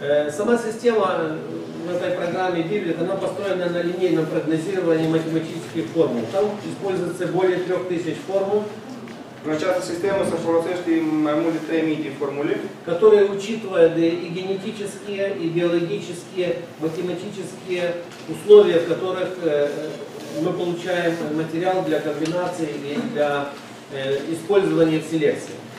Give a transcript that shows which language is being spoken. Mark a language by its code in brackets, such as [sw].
[ru] Сама система в этой программе Vibrit, она построена на линейном прогнозировании математических формул. Там используется более 3000 формул. [ro] În această sistemă se folosește mai mult de 3000 de formule. [ru] Care учитывают и генетические, и биологические, математические условия, в которых мы получаем материал для комбинации и для использования в селекции.